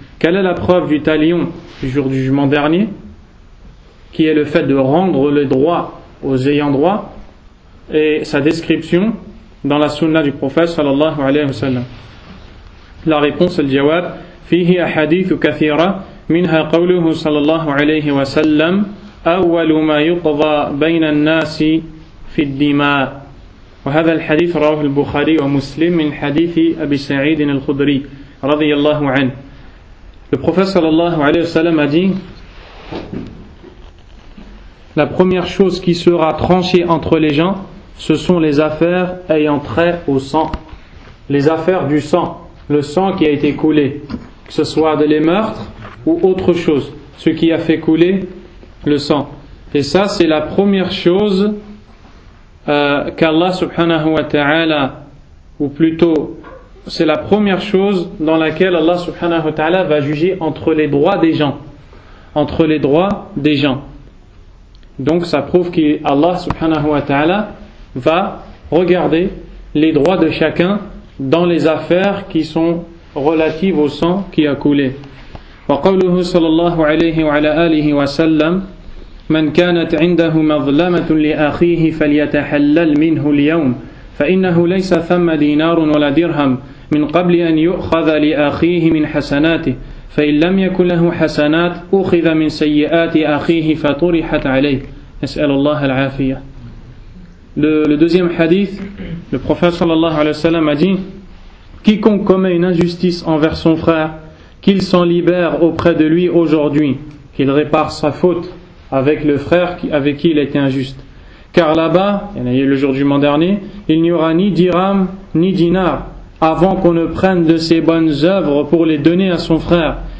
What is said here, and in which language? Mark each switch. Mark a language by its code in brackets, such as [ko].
[fr] Quelle est la preuve du talion du jour du jugement dernier, qui est le fait de rendre le droit aux ayants droit, et sa description dans la sunnah du prophète [ar] sallallahu alayhi wa sallam? [fr] La réponse, [ar] al-jawab, fihi ahadithu kathira. منها قوله صلى الله عليه وسلم أول ما يقضى بين الناس في الدماء. وهذا الحديث رواه البخاري ومسلم من حديث أبي سعيد الخدري رضي الله عنه. [fr] Le prophète [ar] صلى الله عليه وسلم [fr] a dit, la première chose qui sera tranchée entre les gens, ce sont les affaires ayant trait au sang, les affaires du sang, le sang qui a été coulé, que ce soit de les meurtres ou autre chose, ce qui a fait couler le sang. Et ça, c'est la première chose qu'Allah [ar] subhanahu wa ta'ala, [fr] ou plutôt, c'est la première chose dans laquelle Allah subhanahu wa ta'ala va juger entre les droits des gens. Entre les droits des gens. Donc ça prouve qu'Allah [ar] subhanahu wa ta'ala [fr] va regarder les droits de chacun dans les affaires qui sont relatives au sang qui a coulé. [ar] وقوله صلى الله عليه وعلى آله وسلم من كانت عنده مظلمة لأخيه فليتحلل منه اليوم فإنه ليس ثم دينار ولا درهم من قبل أن يؤخذ لأخيه من حسناته فإن لم يكن له حسنات أخذ من سيئات أخيه فطرحت عليه نسأل الله العافية. [fr] Le deuxième hadith, le prophète [ar] sallallahu alayhi wa sallam [fr] a dit: quiconque commet une injustice envers son frère, qu'il s'en libère auprès de lui aujourd'hui, qu'il répare sa faute avec le frère avec qui il était injuste. Car là-bas, il y en a eu le jour du jugement dernier, il n'y aura ni dirham ni dinar avant qu'on ne prenne de ses bonnes œuvres pour les donner à son frère.